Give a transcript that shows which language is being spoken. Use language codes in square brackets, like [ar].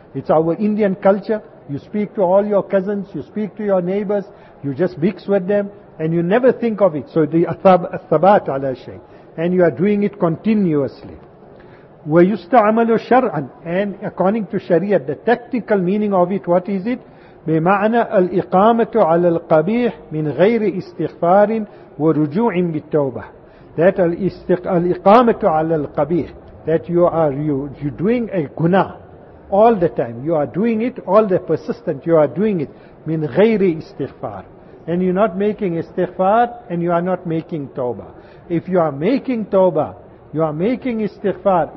[en] It's our Indian culture. You speak to all your cousins. You speak to your neighbors. You just mix with them. And you never think of it. So the [ar] athabat ala shay. [en] And you are doing it continuously. [ar] Wa yusta'amalu shar'an. [en] And according to sharia, the technical meaning of it, what is it? [ar] بمعنى الإقامة على القبيح من غير استغفار ورجوع بالتوبة. [en] That [ar] الإقامة على القبيح, [en] that you're doing a guna all the time, you are doing it all the persistent, you are doing it [ar] من غير استغفار, [en] and you're not making استغفار and you are not making توبة. If you are making توبة, you are making استغفار.